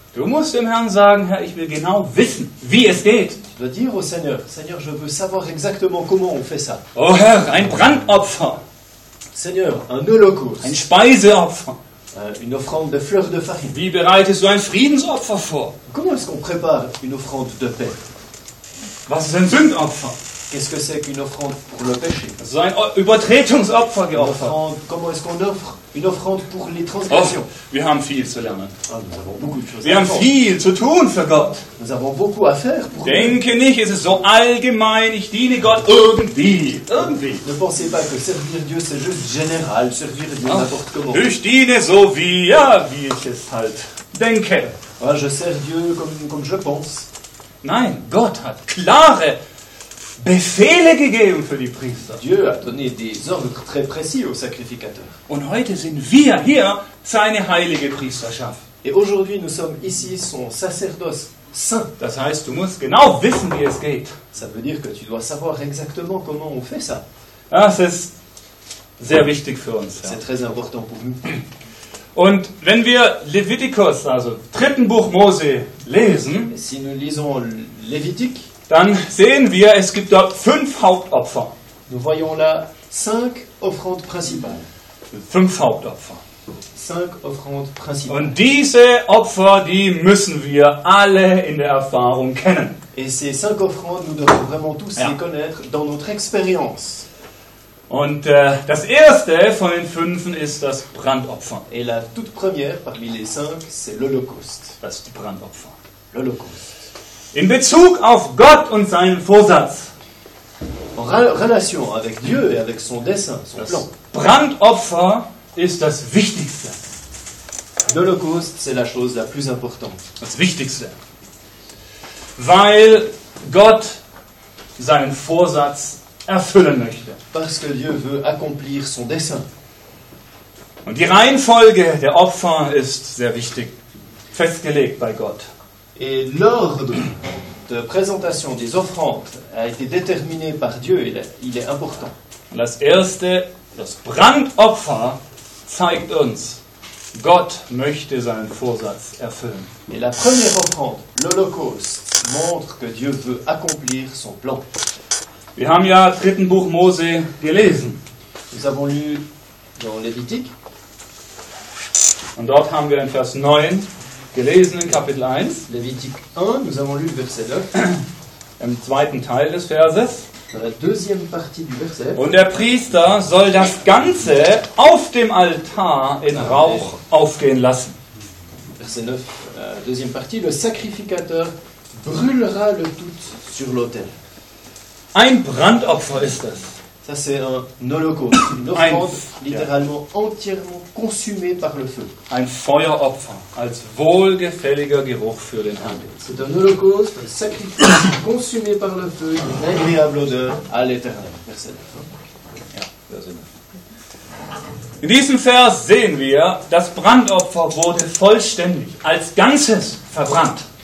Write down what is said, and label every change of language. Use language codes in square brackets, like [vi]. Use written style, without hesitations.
[de] Du musst dem Herrn sagen, Herr, ich will genau wissen, wie es geht. [fr] Tu dois dire au Seigneur, Seigneur, je veux savoir exactement comment on fait ça. [de] Oh Herr, ein Brandopfer. [fr] Seigneur, un holocauste. [de] Ein Speiseopfer. [fr] Une offrande de fleurs de farine. [de] Wie bereitest du ein Friedensopfer vor? [fr] Comment est-ce qu'on prépare une offrande de paix? [de] Was ist ein Sündopfer? [fr] Qu'est-ce que c'est qu'une offrande pour le péché? [de] So ein Übertretungsopfer geopfert. [fr] Comment est-ce qu'on offre une offrande pour les transgressions? [de] Oh, wir haben viel zu lernen. [fr] Nous avons beaucoup de choses [de] wir haben viel zu tun für Gott. [fr] Nous avons beaucoup à faire pour [de] denke [fr] Dieu. [de] Nicht, es ist so allgemein, ich diene Gott irgendwie. [fr] Ne pensez pas que servir Dieu, c'est juste général, servir Dieu n'importe comment. [de] Ich diene so wie, ja, wie ich es halt denke. [fr] Je sers Dieu comme je pense. [de] Nein, Gott hat klare Befehle gegeben für die Priester. [fr] Dieu a donné des ordres très précis aux sacrificateurs. [de] Und heute sind wir hier seine heilige Priesterschaft. [fr] Et aujourd'hui nous sommes ici son sacerdoce saint. [de] Das heißt, du musst genau wissen, wie es geht. [fr] Ça veut dire que tu dois savoir exactement comment on fait ça. Ah, c'est [de] sehr wichtig für uns. [fr] C'est très important pour nous. [de] Und wenn wir Levitikus, also dritten Buch Mose, lesen, [fr] si nous lisons Lévitique, [de] dann sehen wir, es gibt dort fünf Hauptopfer. [fr] Nous voyons là cinq offrandes principales. [de] Fünf Hauptopfer. [fr] Cinq offrandes principales. [de] Und diese Opfer, die müssen wir alle in der Erfahrung kennen. [fr] Et ces cinq offrandes, nous devons vraiment tous les connaître dans notre expérience. [de] Und das erste von den fünfen ist das Brandopfer. [fr] Et la toute première parmi les cinq, c'est l'Holocauste. [de] Das ist die Brandopfer. [fr] L'Holocauste. [de] In Bezug auf Gott und seinen Vorsatz. [fr] Relation avec Dieu et avec son dessein, son [de] das [fr] plan. [de] Brandopfer ist das Wichtigste. [fr] L'Holocauste, c'est la chose la plus importante. [de] Das Wichtigste. Weil Gott seinen Vorsatz erfüllen möchte. [fr] Parce que Dieu veut accomplir son dessein. [de] Und die Reihenfolge der Opfer ist sehr wichtig. Festgelegt bei Gott. [fr] Et l'ordre de présentation des offrandes a été déterminé par Dieu, il est important. [de] Das erste, das Brandopfer, zeigt uns, Gott möchte seinen Vorsatz erfüllen. [fr] Et la première offrande, l'Holocauste, montre que Dieu veut accomplir son plan. [de] Wir haben ja dritten Buch Mose gelesen. [fr] Nous avons lu dans Lévitique. [de] Und dort haben wir in Vers 9 gelesen in Kapitel 1, [fr] Levitique 1, nous avons lu verset 9, [de] im zweiten Teil des Verses, [fr] dans la deuxième partie du verset, [de] und der Priester soll das Ganze auf dem Altar in Rauch aufgehen lassen. [fr] verset 9, deuxième partie, le sacrificateur brûlera le tout sur l'autel. [de] Ein Brandopfer ist das. [fr] Ça, c'est un holocauste, une offrande littéralement entièrement consumée par le feu. [de] Ein Feueropfer, als wohlgefälliger Geruch für den Herrn. [fr] C'est un holocauste, un sacrifice consumé par le feu, une agréable odeur à l'Éternel. Verset 9. [de] In diesem Vers sehen wir, das Brandopfer wurde vollständig, als Ganzes verbrannt.